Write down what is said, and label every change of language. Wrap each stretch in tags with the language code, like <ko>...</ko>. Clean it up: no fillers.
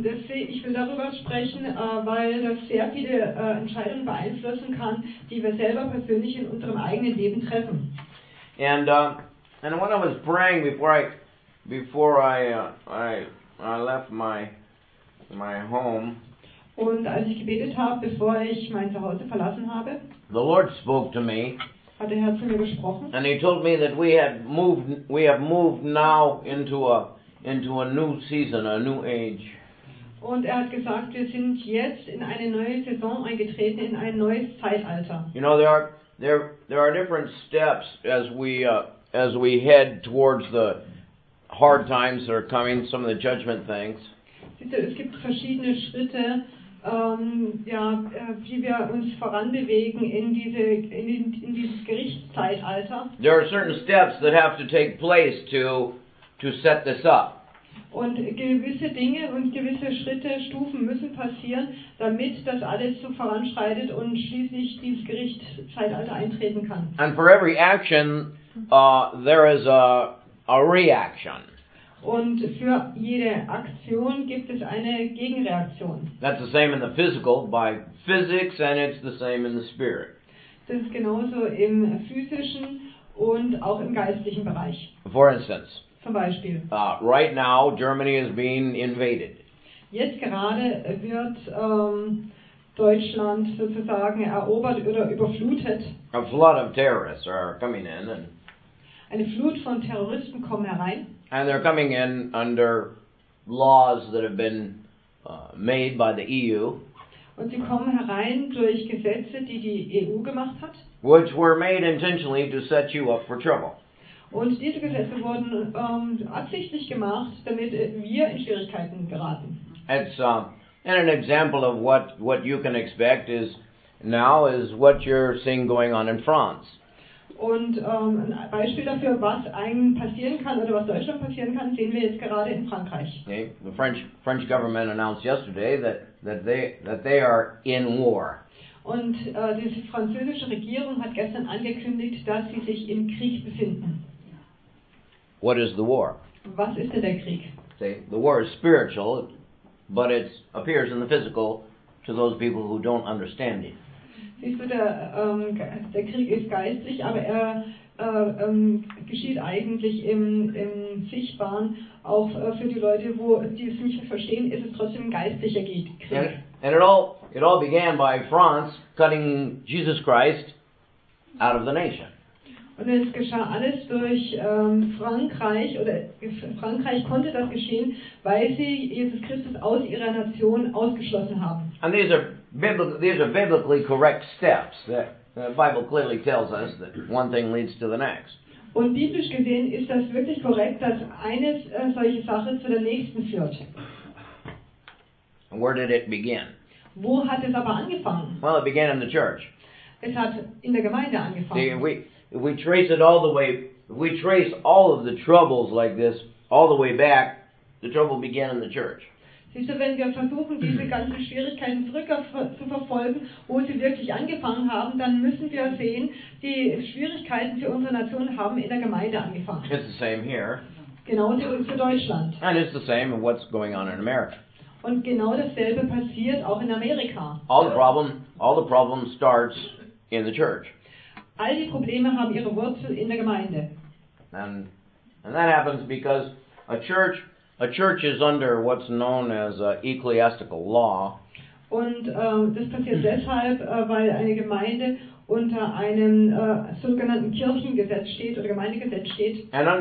<de>Ich will darüber sprechen, weil das sehr viele Entscheidungen beeinflussen kann, die wir selber persönlich in unserem eigenen Leben treffen.</de> <en>And when I was praying before I left my home,</en> <de>und als ich gebetet habe, bevor ich mein Zuhause verlassen habe,</de> <en>the Lord spoke to me,</en> <de>hat der Herr zu mir gesprochen,</de> <en>and he told me that we have moved now into a new season, a new age.</en> <de>Und er hat gesagt, wir sind jetzt in eine neue Saison eingetreten, in ein neues Zeitalter.</de> <en>You know, there are different steps as we head towards the hard times that are coming, some of the judgment things.</en> <de>Es gibt verschiedene Schritte, wie wir uns voranbewegen in dieses Gerichtszeitalter.</de> <en>There are certain steps that have to take place to set this up.</en> <de>Und gewisse Dinge und gewisse Schritte, Stufen müssen passieren, damit das alles so voranschreitet und schließlich dieses Gerichtszeitalter eintreten kann.</de> <en>And for every action, there is a reaction.</en> <de>Und für jede Aktion gibt es eine Gegenreaktion.</de> <en>That's the same in the physical, by physics, and it's the same in the spirit.</en> <de>Das ist genauso im physischen und auch im geistlichen Bereich.</de> <en>For instance.</en> <de>Zum Beispiel.</de> <en>Right now, Germany is being invaded.</en> <de>Jetzt gerade wird Deutschland sozusagen erobert oder überflutet.</de> <en>A flood of terrorists are coming in. And</en> <de>eine Flut von Terroristen kommen herein.</de> <en>And they're coming in under laws that have been made by the EU.</en> <de>Und sie kommen herein durch Gesetze, die EU gemacht hat.</de> <en>Which were made intentionally to set you up for trouble.</en> <de>Und diese Gesetze wurden absichtlich gemacht, damit wir in Schwierigkeiten geraten.</de> <en>And an example of what you can expect is now is what you're seeing going on in France.</en> <de>Und ein Beispiel dafür, was einem passieren kann oder was Deutschland passieren kann, sehen wir jetzt gerade in Frankreich.</de> <en>Okay. The French government announced yesterday that they are in war.</en> <de>Und die französische Regierung hat gestern angekündigt, dass sie sich im Krieg befinden.</de> <en>What is the war?</en> <de>Was ist denn der Krieg?</de> <en>See, the war is spiritual, but it appears in the physical to those people who don't understand it.</en> <de>Siehst du, der Krieg ist geistlich, aber er geschieht eigentlich im Sichtbaren. Auch für die Leute, die es nicht verstehen, ist es trotzdem ein geistlicher Krieg.</de> <en>And it all began by France cutting Jesus Christ out of the nation.</en> <de>Und es geschah alles durch Frankreich, oder Frankreich konnte das geschehen, weil sie Jesus Christus aus ihrer Nation ausgeschlossen haben.</de> <en>And these are biblically correct steps. The Bible clearly tells us that one thing leads to the next.</en> <de>Und biblisch gesehen ist das wirklich korrekt, dass eine solche Sache zu der nächsten führt.</de> <en>Where did it begin?</en> <de>Wo hat es aber angefangen?</de> <en>Well, it began in the church.</en> <de>Es hat in der Gemeinde angefangen.</de> <en>See, if we trace it all the way, if we trace all of the troubles like this all the way back, the trouble began in the church.</en> <de>Siehst du, wenn wir versuchen, diese ganzen Schwierigkeiten zurückzuverfolgen, wo sie wirklich angefangen haben, dann müssen wir sehen, die Schwierigkeiten für unsere Nation haben in der Gemeinde angefangen.</de> <en>It's the same here.</en> <de>Genauso für Deutschland.</de> <en>And it's the same in what's going on in America.</en> <de>Und genau dasselbe passiert auch in Amerika.</de> <en>All the problem starts in the church.</en> <de>All die Probleme haben ihre Wurzel in der Gemeinde.</de> <en>And that happens because a church is under what's known as ecclesiastical law.</en> <de>Und das passiert deshalb, weil eine Gemeinde unter einem sogenannten Kirchengesetz steht oder Gemeindegesetz steht.</de>